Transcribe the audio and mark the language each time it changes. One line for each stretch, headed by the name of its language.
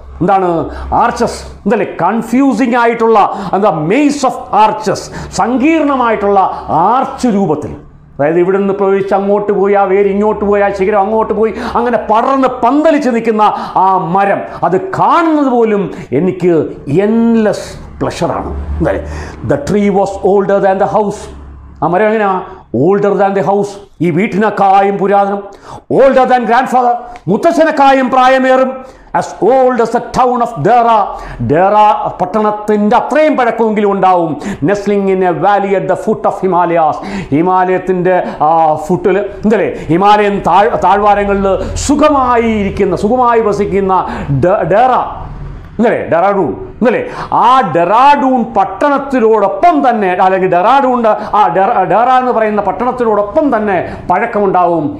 Malayalam: എന്താണ് ആർച്ചസ് എന്തല്ലേ, കൺഫ്യൂസിംഗ് ആയിട്ടുള്ള എന്താ
English: maze of arches,
Malayalam: സങ്കീർണമായിട്ടുള്ള ആർച്ച് രൂപത്തിൽ, അതായത് ഇവിടെ നിന്ന് പ്രവേശിച്ച് അങ്ങോട്ട് പോയി ആ വേര് ഇങ്ങോട്ട് പോയി ആ ശിഖരം അങ്ങോട്ട് പോയി അങ്ങനെ പടർന്ന് പന്തലിച്ച് നിൽക്കുന്ന ആ മരം, അത് കാണുന്നത് പോലും എനിക്ക് എൻലെസ് പ്ലഷറാണ്. എന്തായാലും
English: the tree was older than the house,
Malayalam: ആ മരം എങ്ങനെയാണ്
English: older than the house,
Malayalam: ഈ വീട്ടിനേക്കായും പുരാതനം.
English: older than grandfather,
Malayalam: മുത്തച്ഛനേക്കായും പ്രായമേറും.
English: As old as the town of Dera, Dera
Malayalam: പട്ടണത്തിൻ്റെ അത്രയും പഴക്കമെങ്കിലും ഉണ്ടാവും.
English: nestling in a valley at the foot of Himalayas,
Malayalam: ഹിമാലയത്തിൻ്റെ ആ ഫുട്ടിൽ എന്തല്ലേ, Himalayan താഴ്വാരങ്ങളിൽ സുഖമായി ഇരിക്കുന്ന, സുഖമായി വസിക്കുന്ന ഡേറ എന്നല്ലേ, ഡെറാഡൂൺ എന്നല്ലേ, ആ ഡെറാഡൂൺ പട്ടണത്തിനോടൊപ്പം തന്നെ, അല്ലെങ്കിൽ ഡെറാഡൂണിൻ്റെ ആ ഡെറ എന്ന് പറയുന്ന പട്ടണത്തിനോടൊപ്പം തന്നെ പഴക്കമുണ്ടാവും.